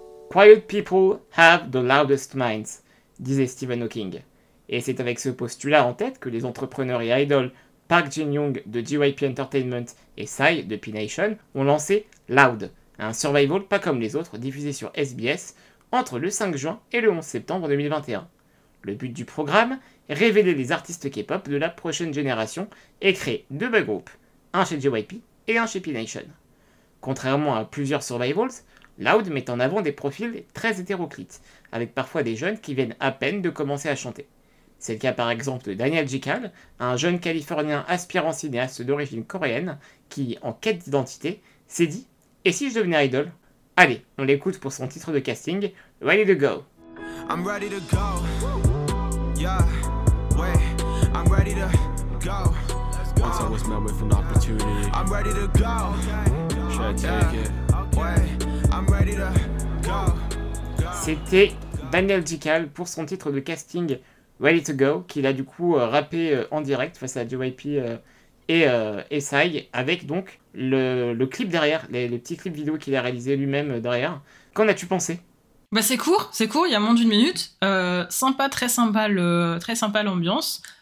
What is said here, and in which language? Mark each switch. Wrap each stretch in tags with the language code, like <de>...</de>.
<en>Quiet people have the loudest minds,</en> <fr>disait</fr> <en>Stephen Hawking.</en> <fr>Et c'est avec ce postulat en tête que les entrepreneurs et idoles Park Jin-young de JYP Entertainment et Psy de P-Nation ont lancé Loud, un survival pas comme les autres diffusé sur SBS entre le 5 juin et le 11 septembre 2021. Le but du programme, révéler les artistes K-pop de la prochaine génération et créer deux boy groupes, un chez JYP et un chez P-Nation. Contrairement à plusieurs survivals, Loud met en avant des profils très hétéroclites, avec parfois des jeunes qui viennent à peine de commencer à chanter. C'est le cas par exemple de Daniel Jikal, un jeune californien aspirant cinéaste d'origine coréenne qui, en quête d'identité, s'est dit « Et si je devenais idol ?» Allez, on l'écoute pour son titre de casting, « Ready to go ».</fr> <en>I'm ready to go, yeah, wait, I'm ready to go. Once I was met with an opportunity, I'm ready to go, should I take it, wait, I'm ready to go.</en> <fr>C'était Daniel Jikal pour son titre de casting « Ready to Go, qu'il a du coup rappé en direct face à JYP et Psy, avec donc le clip derrière, le petit clip vidéo qu'il a réalisé lui-même derrière. Qu'en as-tu pensé? Bah c'est court, il y a moins d'une minute. Sympa, très sympa l'ambiance.</fr>